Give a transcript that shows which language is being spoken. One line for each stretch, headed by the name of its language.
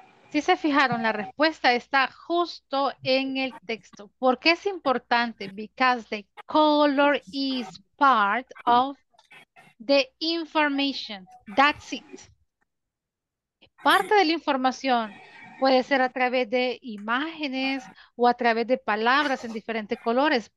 Spanish: Si se fijaron, la respuesta está justo en el texto. ¿Por qué es importante?
English: Because the color is part of the information. That's it.
Spanish: Parte de la información puede ser a través de imágenes o a través de palabras en diferentes colores.